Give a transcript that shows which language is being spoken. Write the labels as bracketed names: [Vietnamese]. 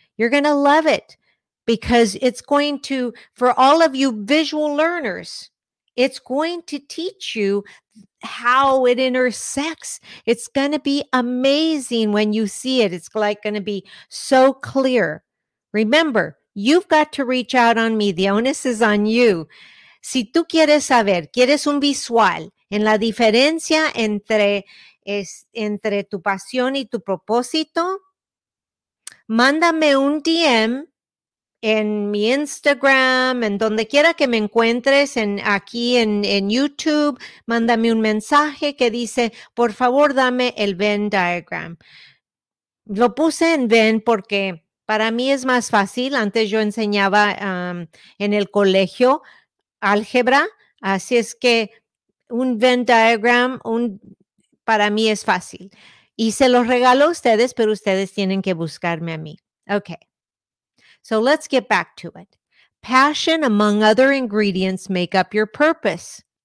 [English] You're going to love it because it's going to, for all of you visual learners, it's going to teach you how it intersects. It's going to be amazing when you see it. It's like going to be so clear. Remember, you've got to reach out on me. The onus is on you. [Spanish] Si tú quieres saber, quieres un visual en la diferencia entre tu pasión y tu propósito, mándame un DM. En mi Instagram, en donde quiera que me encuentres, aquí en YouTube, mándame un mensaje que dice, por favor, dame el Venn diagram. Lo puse en Venn porque para mí es más fácil. Antes yo enseñaba en el colegio álgebra, así es que un Venn diagram para mí es fácil. Y se los regalo a ustedes, pero ustedes tienen que buscarme a mí. [English] Okay. So let's get back to it. Passion, among other ingredients, make up your purpose.